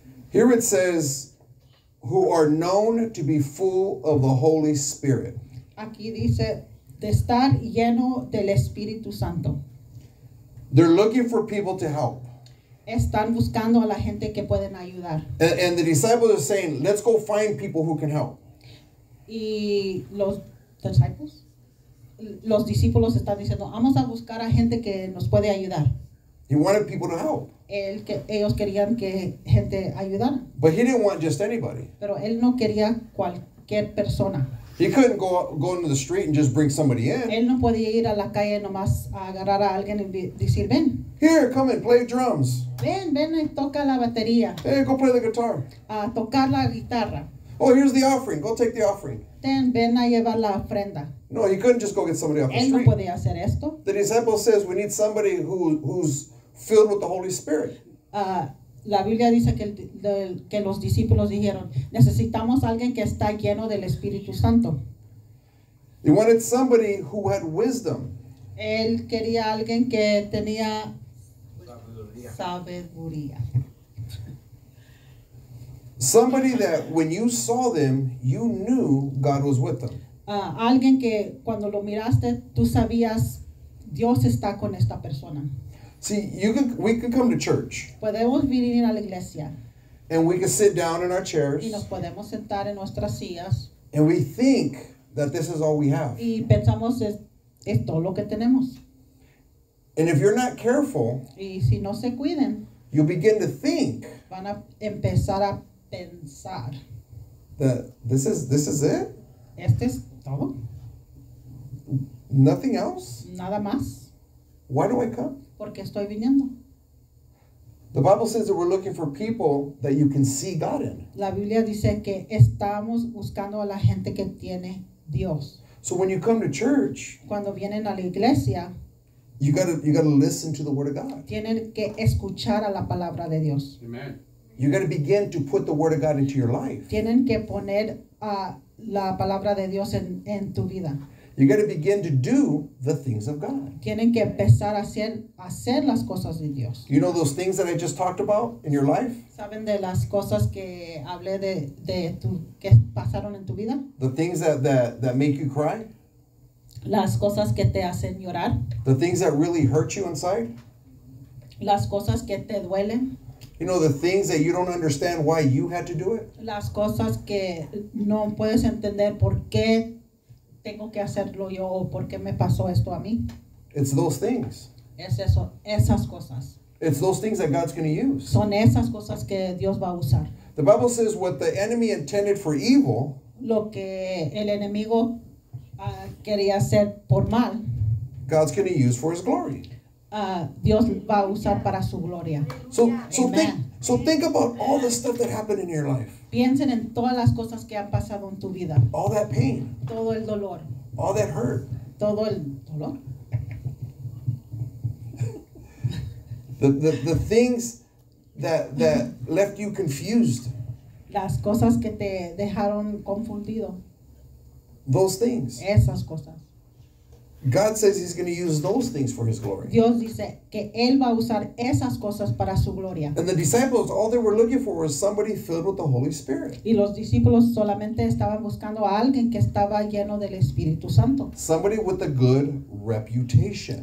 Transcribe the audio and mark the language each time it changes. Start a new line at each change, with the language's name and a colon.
English: Here it says, who are known to be full of the Holy Spirit.
Spanish: Aquí dice, de estar lleno del Espíritu Santo.
English: They're looking for people to help.
Spanish: Están buscando a la gente que pueden ayudar.
English: And the disciples are saying, let's go find people who can help.
Spanish: Y los
English: disciples,
Spanish: los discípulos están diciendo, vamos a buscar a gente que nos puede ayudar.
English: He wanted people to help.
Spanish: El que, ellos querían que gente ayudara.
English: But he didn't want just anybody.
Spanish: Pero él no quería cualquier persona.
English: He couldn't go into the street and just bring somebody in.
Spanish: Él no podía ir a la calle nomás a agarrar a alguien y decir, ven.
English: Here, come and play drums.
Spanish: Ven, ven y toca la batería.
English: Hey, go play the guitar.
Spanish: A tocar la guitarra.
English: Oh, here's the offering. Go take the offering.
Spanish: Ten, ven a llevar la ofrenda.
English: No, he couldn't just go get somebody off
Spanish: él
English: the street.
Spanish: Él no podía hacer esto.
English: The disciple says we need somebody who's filled with the Holy Spirit.
Spanish: La Biblia dice que los discípulos dijeron, necesitamos alguien que está lleno del Espíritu Santo.
English: He wanted somebody who had wisdom.
Spanish: Él quería alguien que tenía sabiduría.
English: Somebody that when you saw them, you knew God was with them.
Spanish: Alguien que cuando lo miraste, tú sabías Dios está con esta persona.
English: See, we can come to church.
Spanish: Podemos venir a la iglesia.
English: And we can sit down in our chairs.
Spanish: Y nos podemos sentar en nuestras sillas.
English: And we think that this is all we have.
Spanish: Y pensamos es todo lo que tenemos.
English: And if you're not careful,
Spanish: y si no se cuiden,
English: you'll begin to think.
Spanish: Van a empezar a pensar.
English: That this is it?
Spanish: Este es todo.
English: Nothing else?
Spanish: Nada más.
English: Why do I come?
Spanish: Porque estoy viniendo.
English: The Bible says that we're looking for people that you can see God in.
Spanish: La Biblia dice que estamos buscando a la gente que tiene Dios.
English: So when you come to church,
Spanish: cuando vienen a la iglesia,
English: you gotta listen to the word of God.
Spanish: Tienen que escuchar a la palabra de Dios.
English: Amen. You gotta begin to put the word of God into your life.
Spanish: Tienen que poner a la palabra de Dios en tu vida.
English: You got to begin to do the things of God.
Spanish: Tienen que empezar a hacer las cosas de Dios.
English: You know those things that I just talked about in your life?
Spanish: ¿Saben de las cosas que hablé de tu que pasaron en tu vida?
English: The things that make you cry?
Spanish: Las cosas que te hacen llorar?
English: The things that really hurt you inside?
Spanish: Las cosas que te duelen?
English: You know the things that you don't understand why you had to do it?
Spanish: Las cosas que no puedes entender por qué tengo que hacerlo yo o por qué me pasó esto a mí.
English: It's those things.
Spanish: Es eso, esas cosas.
English: It's those things that God's going to use.
Spanish: Son esas cosas que Dios va a usar.
English: The Bible says what the enemy intended for evil,
Spanish: lo que el enemigo quería hacer por mal,
English: God's going to use for his glory.
Spanish: Dios va a usar para su gloria.
English: So think about all the stuff that happened in your life.
Spanish: Piensen en todas las cosas que han pasado en tu vida.
English: All that pain.
Spanish: Todo el dolor.
English: All that hurt.
Spanish: Todo el dolor.
English: The things that left you confused.
Spanish: Las cosas que te dejaron confundido.
English: Those things.
Spanish: Esas cosas.
English: God says he's going to use those things for his glory.
Spanish: Dios dice que él va a usar esas cosas para su gloria.
English: And the disciples, all they were looking for was somebody filled with the Holy Spirit.
Spanish: Y los discípulos solamente estaban buscando a alguien que estaba lleno del Espíritu Santo.
English: Somebody with a good reputation.